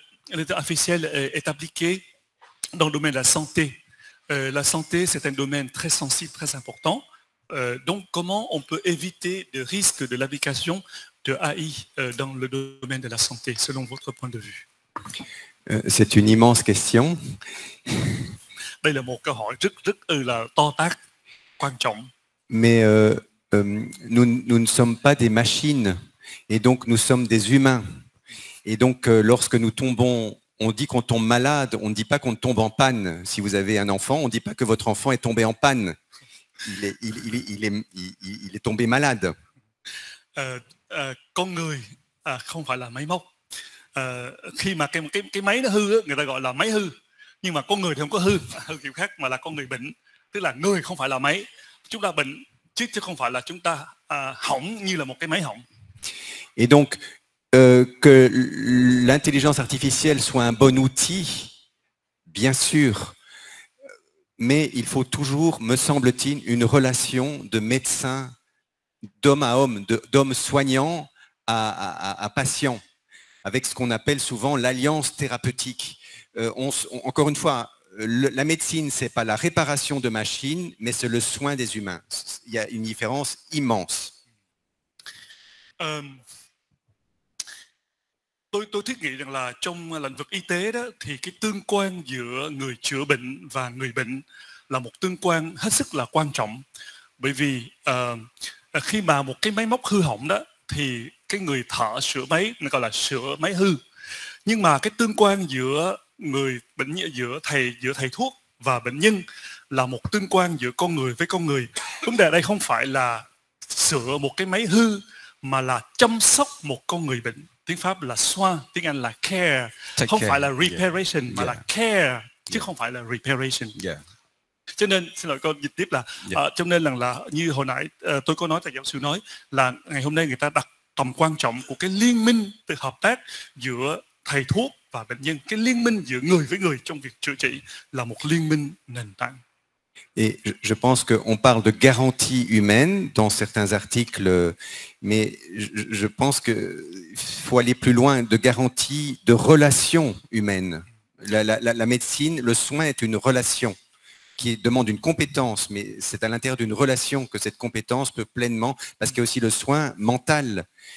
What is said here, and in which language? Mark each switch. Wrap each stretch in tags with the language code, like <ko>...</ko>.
<fr>L'intelligence artificielle est appliquée dans le domaine de la santé. La santé, c'est un domaine très sensible, très important. Donc, comment on peut éviter le risque de l'application de AI dans le domaine de la santé, selon votre point de vue? C'est une immense question. Đây là một câu hỏi rất là to tác, quan trọng. Mais nous ne sommes pas des machines. Et donc nous sommes des humains. Et donc lorsque nous tombons, on dit qu'on tombe malade, on ne dit pas qu'on tombe en panne. Si vous avez un enfant, on ne dit pas que votre enfant est tombé en panne. Il est tombé malade.</fr> <vi>Con người không phải là máy móc. Khi mà cái máy nó hư, người ta gọi là máy hư. Nhưng mà con người thì không có hư, hư kiểu khác mà là con người bệnh. Tức là người không phải là máy. Chúng ta bệnh chứ không phải là chúng ta hỏng như là một cái máy hỏng.</vi> <fr>Et donc, que l'intelligence artificielle soit un bon outil, bien sûr, mais il faut toujours, me semble-t-il, une relation de médecin, d'homme à homme, d'homme soignant à patient, avec ce qu'on appelle souvent l'alliance thérapeutique. Encore une fois, la médecine, ce n'est pas la réparation de machines, mais c'est le soin des humains. Il y a une différence immense.</fr> <vi>Tôi thiết nghĩ rằng là trong lĩnh vực y tế đó thì cái tương quan giữa người chữa bệnh và người bệnh là một tương quan hết sức là quan trọng. Bởi vì khi mà một cái máy móc hư hỏng đó thì cái người thợ sửa máy nó gọi là sửa máy hư. Nhưng mà cái tương quan giữa người bệnh giữa thầy thuốc và bệnh nhân là một tương quan giữa con người với con người. Vấn đề đây không phải là sửa một cái máy hư mà là chăm sóc một con người bệnh. Tiếng Pháp là soin, tiếng Anh là care.</vi> <en>Take</en> <vi>không</vi> <en>care.</en> <vi>Phải là reparation, yeah. Mà yeah. Là care, chứ yeah. Không phải là reparation. Yeah. Cho nên, xin lỗi con dịch tiếp là, yeah. Cho nên là như hồi nãy tôi có nói, tại giáo sư nói, là ngày hôm nay người ta đặt tầm quan trọng của cái liên minh, từ hợp tác giữa thầy thuốc và bệnh nhân. Cái liên minh giữa người với người trong việc chữa trị là một liên minh nền tảng.</vi> <fr>Et je pense qu'on parle de garantie humaine dans certains articles, mais je pense qu'il faut aller plus loin, de garantie de relation humaine. La médecine, le soin est une relation qui demande une compétence, mais c'est à l'intérieur d'une relation que cette compétence peut pleinement, parce qu'il y a aussi le soin mental.</fr>